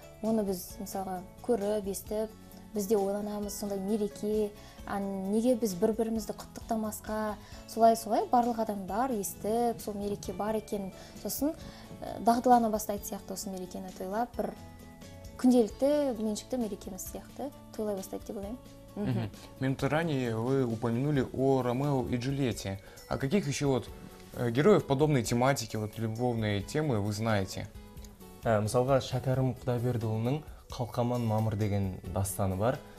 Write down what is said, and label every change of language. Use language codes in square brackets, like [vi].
[kk] Оны біз мысалға көріп, естіп, бізде ойланамыз, сондай мереке, неге біз бір-бірімізді құттықтамасқа, солай-солай барлық адамдар естіп, сол мереке бар екен. Сосын дағдылана бастайды сияқты осы мерекені тойлап, бір күнделікті меншікті мерекеміз сияқты тойлай бастайды деп ойлаймын. [ru] Минуты ранее вы упомянули о Ромео и Джульетте. А каких еще вот героев подобной тематики, вот любовные темы вы знаете? [kk] Мысалға Шәкәрім Құдайбердіұлының «Қалқаман мамыр» деген дастаны бар.